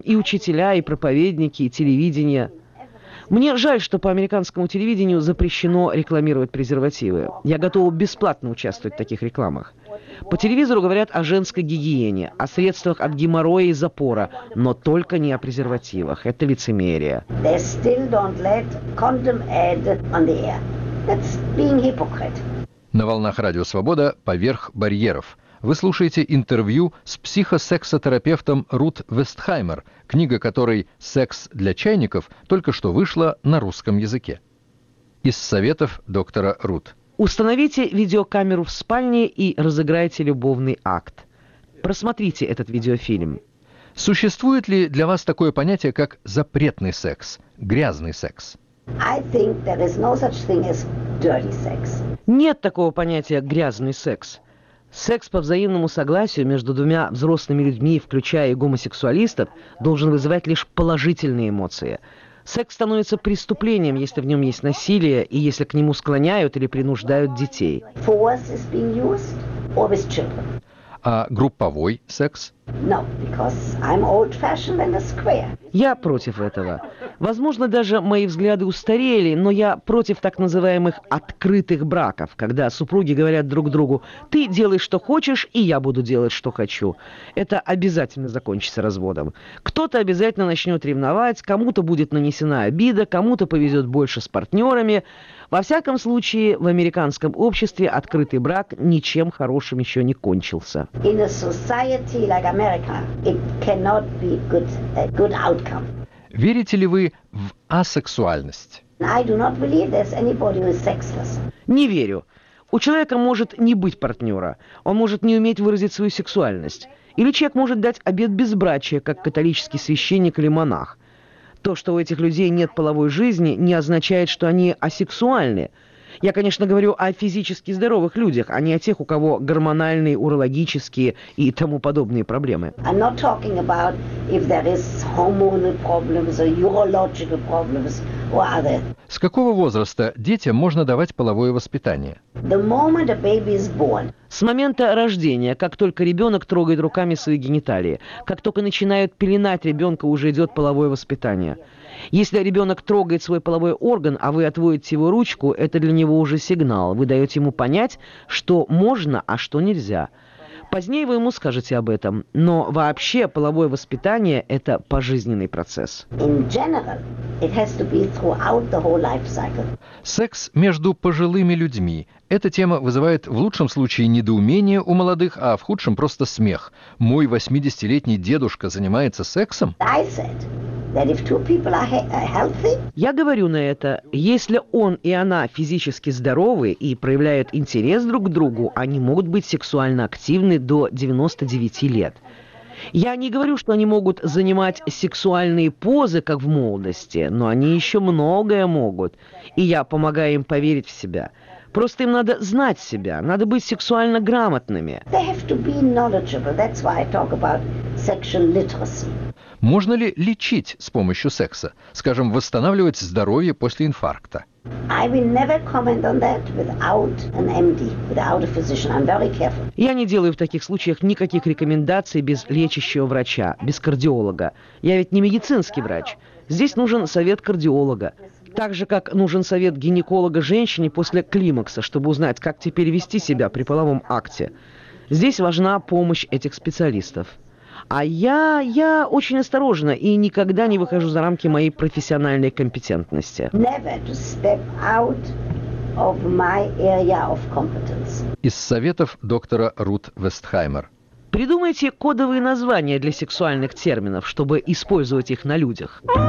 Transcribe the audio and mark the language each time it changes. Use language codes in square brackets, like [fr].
[ru] И учителя, и проповедники, и телевидение. Мне жаль, что по американскому телевидению запрещено рекламировать презервативы. Я готова бесплатно участвовать в таких рекламах. По телевизору говорят о женской гигиене, о средствах от геморроя и запора, но только не о презервативах. Это лицемерие. [en] They still don't let condom ad on the air. That's being hypocrite. [ru] На волнах Радио Свобода «Поверх барьеров». Вы слушаете интервью с психосексотерапевтом Рут Вестхаймер, книга которой «Секс для чайников» только что вышла на русском языке. Из советов доктора Рут. Установите видеокамеру в спальне и разыграйте любовный акт. Просмотрите этот видеофильм. Существует ли для вас такое понятие, как запретный секс, грязный секс? [en] I think there is no such thing as dirty sex. [ru] Нет такого понятия «грязный секс». Секс по взаимному согласию между двумя взрослыми людьми, включая и гомосексуалистов, должен вызывать лишь положительные эмоции. Секс становится преступлением, если в нем есть насилие и если к нему склоняют или принуждают детей. [en] Force is being used, or with children. [ru] А групповой секс? [en] No, because I'm old-fashioned and a square. [ru] Я против этого. Возможно, даже мои взгляды устарели, но я против так называемых открытых браков, когда супруги говорят друг другу: «Ты делай, что хочешь, и я буду делать, что хочу». Это обязательно закончится разводом. Кто-то обязательно начнет ревновать, кому-то будет нанесена обида, кому-то повезет больше с партнерами. Во всяком случае, в американском обществе открытый брак ничем хорошим еще не кончился. [en] In a society like America, it cannot be good outcome. [ru] Верите ли вы в асексуальность? [en] I do not believe there's anybody who is sexless. [ru] Не верю. У человека может не быть партнера, он может не уметь выразить свою сексуальность. Или человек может дать обет безбрачия, как католический священник или монах. То, что у этих людей нет половой жизни, не означает, что они асексуальны. Я, конечно, говорю о физически здоровых людях, а не о тех, у кого гормональные, урологические и тому подобные проблемы. [en] I'm not talking about if there is hormonal problems or urological problems or other. [ru] С какого возраста детям можно давать половое воспитание? [en] The moment a baby is born. [ru] С момента рождения, как только ребенок трогает руками свои гениталии, как только начинают пеленать ребенка, уже идет половое воспитание. Если ребенок трогает свой половой орган, а вы отводите его ручку, это для него уже сигнал. Вы даете ему понять, что можно, а что нельзя. Позднее вы ему скажете об этом. Но вообще половое воспитание – это пожизненный процесс. [en] In general, it has to be throughout the whole life cycle. [ru] Секс между пожилыми людьми. Эта тема вызывает в лучшем случае недоумение у молодых, а в худшем – просто смех. Мой 80-летний дедушка занимается сексом? [en] I said that if two people are healthy. [ru] Я говорю на это, если он и она физически здоровы и проявляют интерес друг к другу, они могут быть сексуально активны до 99 лет. Я не говорю, что они могут занимать сексуальные позы, как в молодости, но они еще многое могут, и я помогаю им поверить в себя. Просто им надо знать себя, надо быть сексуально грамотными. [en] They have to be knowledgeable. That's why I talk about sexual literacy. [ru] Можно ли лечить с помощью секса? Скажем, восстанавливать здоровье после инфаркта? [en] I will never comment on that without an MD, without a physician. I'm very careful. [ru] Я не делаю в таких случаях никаких рекомендаций без лечащего врача, без кардиолога. Я ведь не медицинский врач. Здесь нужен совет кардиолога. Так же, как нужен совет гинеколога женщине после климакса, чтобы узнать, как теперь вести себя при половом акте. Здесь важна помощь этих специалистов. А я очень осторожна и никогда не выхожу за рамки моей профессиональной компетентности. [en] Never to step out of my area of competence. [ru] Из советов доктора Рут Вестхаймер. Придумайте кодовые названия для сексуальных терминов, чтобы использовать их на людях.